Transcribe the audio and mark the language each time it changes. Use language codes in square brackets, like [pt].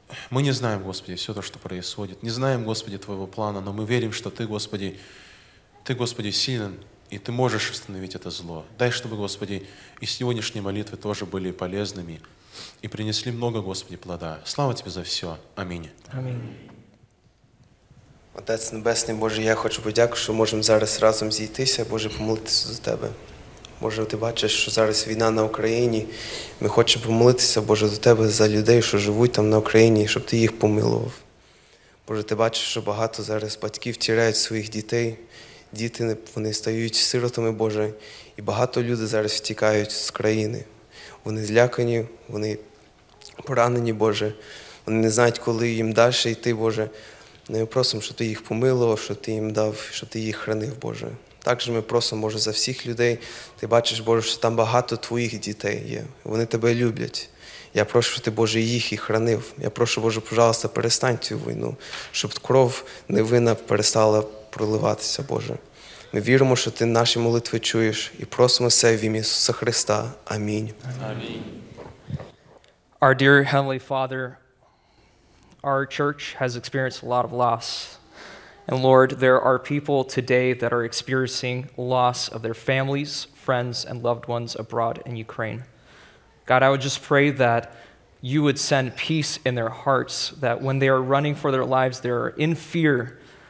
[ru] Мы не знаем, Господи, все то, что происходит. Не знаем, Господи, Твоего плана, но мы верим, что Ты, Господи, силен. И Ты можешь остановить это зло. Дай, чтобы, Господи, и сегодняшние молитвы тоже были полезными и принесли много, Господи, плода. Слава Тебе за все. Аминь. Аминь. Отец Небесный, [uk] Боже, я хочу подякувати, що можемо зараз разом зійтися, Боже, помолитися за Тебе. Боже, Ти бачиш, що зараз війна на Україні. Ми хочемо помолитися, Боже, за Тебе, за людей, що живуть там на Україні, щоб Ти їх помилував. Боже, Ти бачиш, що багато зараз батьків втрачають своїх дітей. Діти, вони стають сиротами, Боже, і багато людей зараз втікають з країни. Вони злякані, вони поранені, Боже, вони не знають, коли їм далі йти, Боже. Ми просимо, щоб Ти їх помилував, щоб Ти їм дав, щоб Ти їх хранив, Боже. Також ми просимо, Боже, за всіх людей. Ти бачиш, Боже, що там багато Твоїх дітей є, вони Тебе люблять. Я прошу, щоб Ти, Боже, їх і хранив. Я прошу, Боже, пожалуйста, перестань цю війну, щоб кров невинна перестала проливатися, Боже. Ми віримо, що Ти наші молитви чуєш, і просимо це в ім'я Ісуса Христа. Амінь. Амінь. [en] Our dear Heavenly Father, our church has experienced a lot of loss. And Lord, there are people today that are experiencing loss of their families, friends, and loved ones abroad in Ukraine. God, I would just pray that You would send peace in their hearts, that when they are running for their lives, they are in fear.